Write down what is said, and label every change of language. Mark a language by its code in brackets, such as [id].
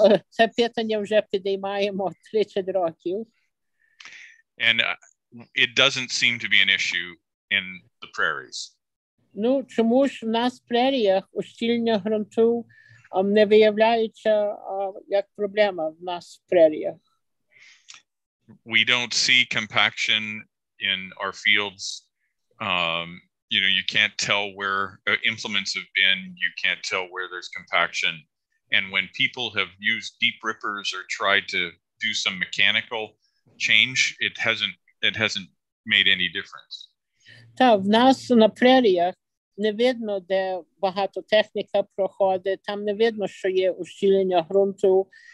[uk] Це питання вже підіймаємо 30 років. [en] And it doesn't seem to be an issue in the prairies. [uk] Ну, чому ж в нас преріях ущільнення ґрунту не виявляється як проблема в нас преріях? [en] We don't see compaction in our fields. You know, you can't tell where implements have been, you can't tell where there's compaction. And when people have used deep rippers or tried to do some mechanical change, it hasn't made any difference. [uk] Так, в нас на преріях не видно, де багато техніка проходить, там не видно, що є ущільнення ґрунту.